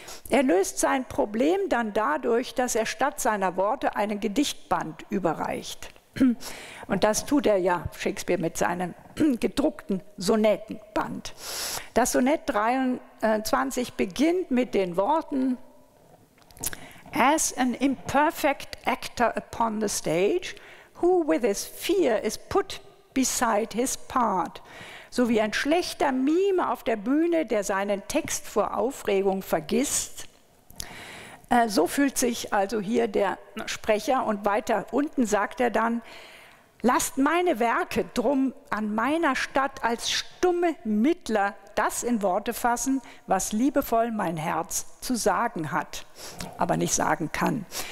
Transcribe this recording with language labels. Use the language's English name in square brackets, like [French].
[German] Er löst sein Problem dann dadurch, dass er statt seiner Worte einen Gedichtband überreicht. Und das tut er ja, Shakespeare, mit seinem gedruckten Sonettenband. Das Sonett 23 beginnt mit den Worten: [English] As an imperfect actor upon the stage, who with his fear is put beside his part. [German] So wie ein schlechter Mime auf der Bühne, der seinen Text vor Aufregung vergisst. So fühlt sich also hier der Sprecher, und weiter unten sagt er dann: Lasst meine Werke drum an meiner Statt als stumme Mittler das in Worte fassen, was liebevoll mein Herz zu sagen hat, aber nicht sagen kann.